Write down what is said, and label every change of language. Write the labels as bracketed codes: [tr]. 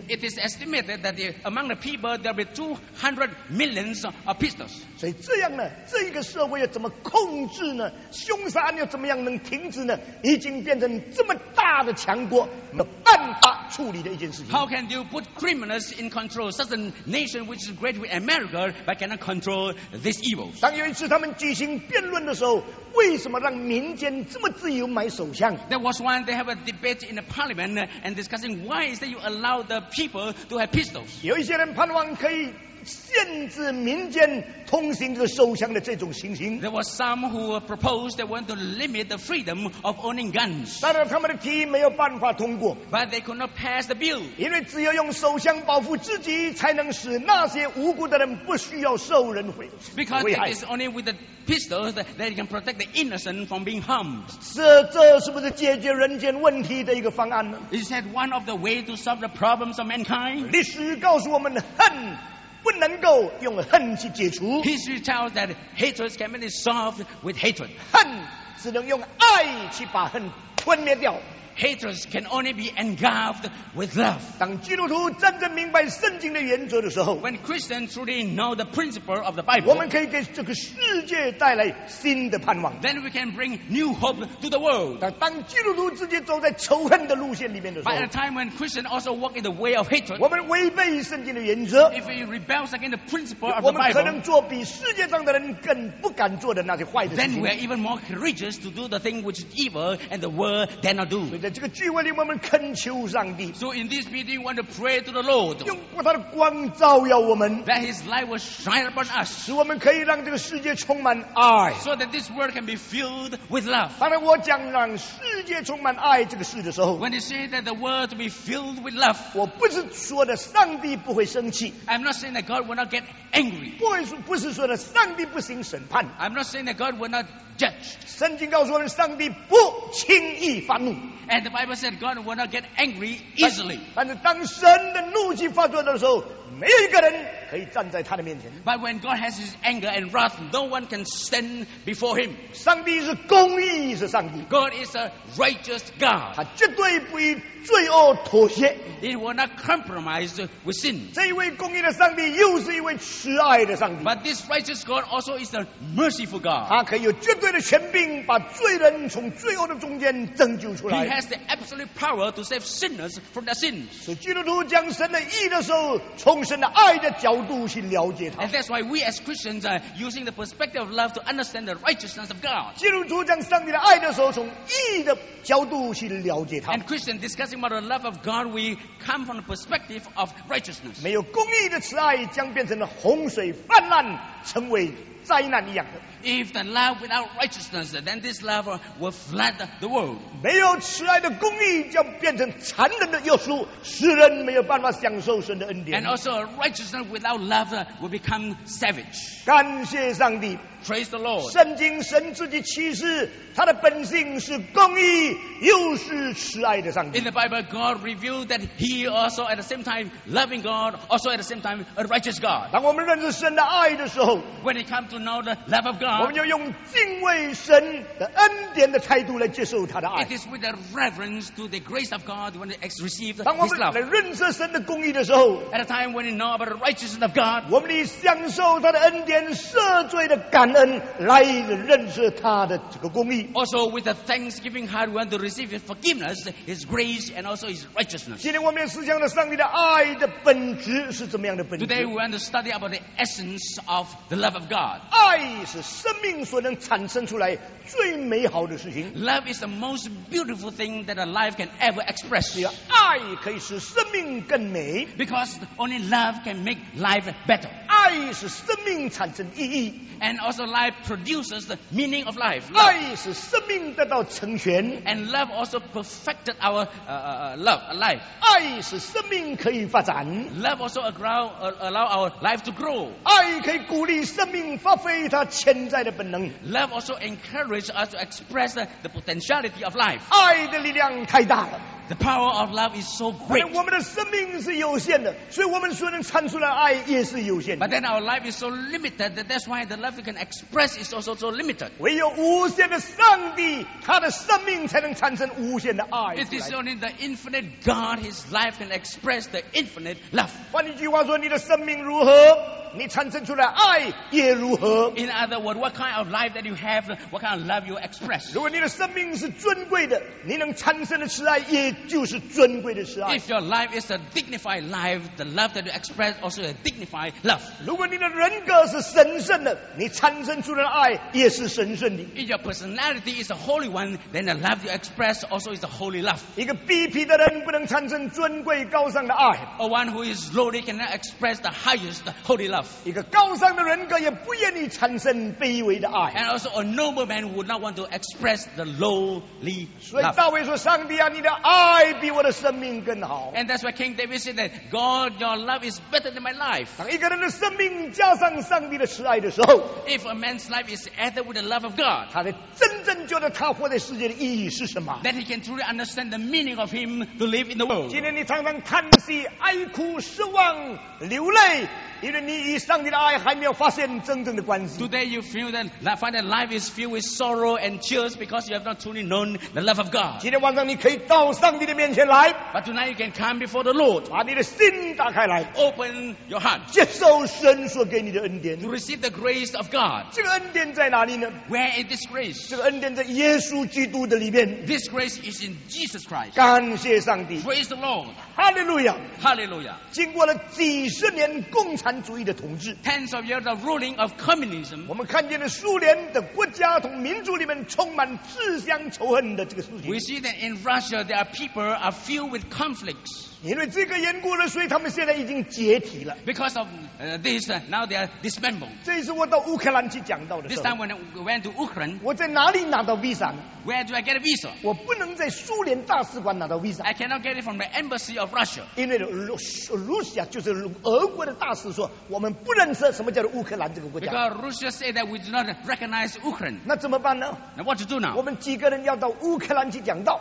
[en] It is estimated that among the people there will be 200 millions of pistols [zh] 所以这样呢这一个社会要怎么控制呢凶杀案又怎么样能停止呢已经变成这么大的强国没有办法处理的一件事情 [en] How can you put criminals in control such a nation which is great with America but cannot control this evil [zh] 当有一次他们举行辩论的时候为什么让民间这么自由买手枪 [en] There was one they have a debate in the parliament and discussing why is that you allow the people to have pistols [zh] 有一些人盼望可以限制民间通行的手枪的这种情形 [en] There was some who proposed they want to limit the freedom of owning guns [zh] 但是他们的提议没有办法通过 [en] But they could not pass the bill [zh] 因为只有用手枪保护自己才能使那些无辜的人不需要受人毁害 [en] Because it is only with the pistols that they can protect the innocent from being harmed [zh] 这是不是解决人间问题的一个方案呢 [en] Is that one of the ways to solve the problems of mankind? [zh] 历史告诉我们恨不能够用恨去解除。 [en] History tells that hatred can be solved with hatred. [zh] 恨只能用爱去把恨吞灭掉。 [en] Hatred can only be engulfed with love. [zh] 当基督徒真正明白圣经的原则的时候 [en] ，When Christians truly know the principle of the Bible, [zh] 我们可以给这个世界带来新的盼望。 [en] Then we can bring new hope to the world. [zh] 当基督徒直接走在仇恨的路线里面的时候 [en] ，By a time when Christians also walk in the way of hatred, [zh] 我们违背圣经的原则 [en] ，If we rebel against the principle of the Bible, [zh] 我们可能做比世界上的人更不敢做的那些坏的事情。 [en] Then we are even more courageous to do the thing which is evil and the world dare not do. [zh] 在这个聚会里，我们恳求上帝。 [en] So in this meeting, we want to pray to the Lord. [zh] 用他的光照耀我们。 [en] That His light will shine upon us. [zh] 使我们可以让这个世界充满爱。 [en] So that this world can be filled with love. [zh] 当我讲让世界充满爱这个事的时候 [en] ，When you say that the world to be filled with love, [zh] 我不是说的上帝不会生气。 [en] I'm not saying that God will not get angry. [zh] 不是说的上帝不行审判。 [en] I'm not saying that God will not judge. [zh] 圣经告诉我们，上帝不轻易发怒。 [en] And the Bible said God will not get angry easily. [zh] 但是当神的怒气发作的时候，没有一个人可以站在他的面前。 [en] But when God has His anger and wrath, no one can stand before Him. [zh] 上帝是公义，是上帝。 [en] God is a righteous God. [zh] 他绝对不以罪恶妥协。 [en] He will not compromise with sin. [zh] 这一位公义的上帝又是一位慈爱的上帝。 [en] But this righteous God also is a merciful God. [zh] 他可以有绝对的权柄，把罪人从罪恶的中间拯救出来。 [en] He has the absolute power to save sinners from their sins. [zh] 所以基督徒将神的义的时候，从神的爱的角度去了解他。 [en] And that's why we as Christians are using the perspective of love to understand the righteousness of God. [zh] 基督徒将上帝的爱的时候，从义的角度去了解他。 [en] And Christians discussing about the love of God, we come from the perspective of righteousness. [zh] 没有公义的慈爱，将变成了洪水泛滥，成为灾难一样的。 [en] If the love without righteousness, then this love will flood the world. [zh] 没有慈爱的公义将变成残忍的约束，使人没有办法享受神的恩典。 [en] And also, righteousness without love will become savage. [zh] 感谢上帝。 [en] Praise the Lord. [zh] 圣经神自己启示，他的本性是公义又是慈爱的上帝。 [en] In the Bible, God revealed that He also at the same time loving God, also at the same time a righteous God. [zh] 当我们认识神的爱的时候 [en] ，When it comes to know the love of God, [zh] 我们要用敬畏神的恩典的态度来接受他的爱。 [en] It is with a reverence to the grace of God when we receive His love. [zh] 当我们来认识神的公义的时候 [en] ，At a time when we know about the righteousness of God, [zh] 我们享受他的恩典赦罪的感。恩来认识他的这个公义。 [en] Also with a thanksgiving heart, we want to receive His forgiveness, His grace, and also His righteousness. [zh] 今天我们思想的上帝的爱的本质是怎么样的本质 [en] ？Today we want to study about the essence of the love of God. [zh] 爱是生命所能产生出来最美好的事情。 [en] Love is the most beautiful thing that a life can ever express. [zh] 爱可以使生命更美。 [en] Because only love can make life better. [zh] 爱是生命产生意义。 [en] And also life produces the meaning of life. [zh] 爱使生命得到成全。 [en] And love also perfected our love, life. [zh] 爱使生命可以发展。 [en] Love also allow our life to grow. [zh] 爱可以鼓励生命发挥它潜在的本能。 [en] Love also encourages us to express the potentiality of life. [zh] 爱的力量太大了。 [en] The power of love is so great. [zh] 我们的生命是有限的，所以我们所能产出的爱也是有限的。 [en] But then our life is so limited that that's why the love we can express is also so limited. [zh] 唯有无限的上帝，他的生命才能产生无限的爱。 [en] It is only the infinite God, His life can express the infinite love. [zh] 换一句话说，你的生命如何？你产生出来爱也如何 [en] ？In other words, what kind of life that you have, what kind of love you express? [zh] 如果你的生命是尊贵的，你能产生的慈爱也就是尊贵的慈爱。 [en] If your life is a dignified life, the love that you express also a dignified love. [zh] 如果你的人格是神圣的，你产生出来的爱也是神圣的。 [en] If your personality is a holy one, then the love you express also is a holy love. [zh] 一个卑鄙的人不能产生尊贵高尚的爱。 [en] A one who is lowly cannot express the highest holy love. [zh] 一个高尚的人格也不愿意产生卑微的爱。 [en] And also a noble man would not want to express the lowly love. [zh] 所以大卫说：“上帝啊，你的爱比我的生命更好。” [en] And that's why King David said that God, your love is better than my life. [zh] 当一个人的生命加上上帝的慈爱的时候 [en] ，If a man's life is added with the love of God, [zh] 他的真正觉得他活在世界的意义是什么 [en] ？Then he can truly understand the meaning of him to live in the world. [zh] 今天你常常叹息、哀哭、失望、流泪。因为你与上帝的爱还没有发现真正的关系。 [en] Today you feel that find that life is filled with sorrow and tears because you have not truly known the love of God. [zh] 今天晚上你可以到上帝的面前来。 [en] But tonight you can come before the Lord. [zh] 把你的心打开来。 [en] Open your heart. [zh] 接受神所给你的恩典。 [en] To receive the grace of God. [zh] 这个恩典在哪里呢 [en] ？Where is this grace? [zh] 这个恩典在耶稣基督的里面。 [en] This grace is in Jesus Christ. [zh] 感谢上帝。 [en] Praise the Lord. Hallelujah. Hallelujah. [zh] 经过了几十年共产。主义的统治 [en] Tens of years of ruling of communism [zh] 我们看见了苏联的国家同民族里面充满自相仇恨的这个事情 [en] We see that in Russia there are people are filled with conflicts [zh] 因为这个缘故呢所以他们现在已经解体了 [en] Because of this now they are dismembered [zh] 这是我到乌克兰去讲到的 [en] This time when I went to Ukraine [zh] 我在哪里拿到 visa [en] Where do I get a visa [zh] 我不能在苏联大使馆拿到 visa [en] I cannot get it from the embassy of Russia [zh] 因为 Russia 就是俄国的大使说我们不认识什么叫乌克兰这个国家。 [en] Because Russia said that we do not recognize Ukraine. [zh] 那怎么办呢 [en] ？Now what to do now? [zh] 我们几个人要到乌克兰去讲道。